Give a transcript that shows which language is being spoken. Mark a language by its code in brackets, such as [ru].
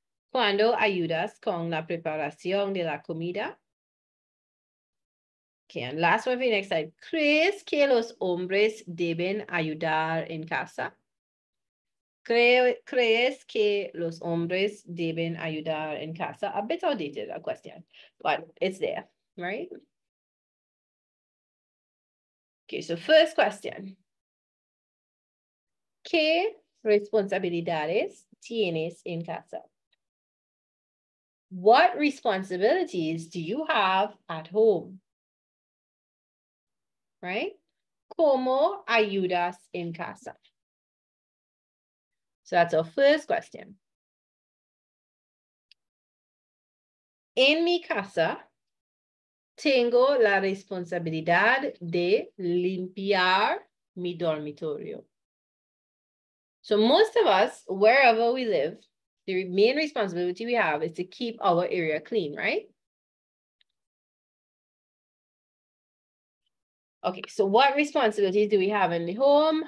[es] ¿Cuándo ayudas con la preparación de la comida? [en] Okay, and last one, next slide. [es] ¿Crees que los hombres deben ayudar en casa? ¿Crees que los hombres deben ayudar en casa? [en] A bit outdated, a question, but it's there, right? Okay, so first question. [es] ¿Qué responsabilidades tienes en casa? [en] What responsibilities do you have at home? Right? [es] ¿Cómo ayudas en casa? [en] So that's our first question. [es] En mi casa, tengo la responsabilidad de limpiar mi dormitorio. [en] So most of us, wherever we live, the main responsibility we have is to keep our area clean, right? Okay, so what responsibilities do we have in the home?